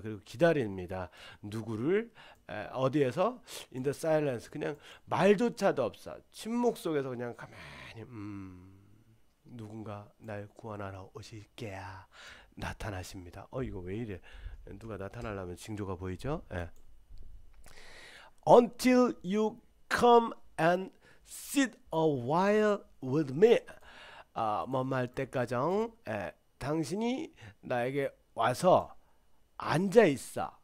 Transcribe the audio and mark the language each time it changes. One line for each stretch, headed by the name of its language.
Korean: 그리고 기다립니다. 누구를 어디에서
English: in the silence
Korean: 그냥 말조차도 없어 침묵 속에서 그냥 가만히 누군가 날 구원하러 오실게야 나타나십니다. 이거 왜 이래? 누가 나타나려면 징조가 보이죠?
English: Until you come and sit a while with me.
Korean: 먼말 때까지 당신이 나에게 와서 앉아 있어.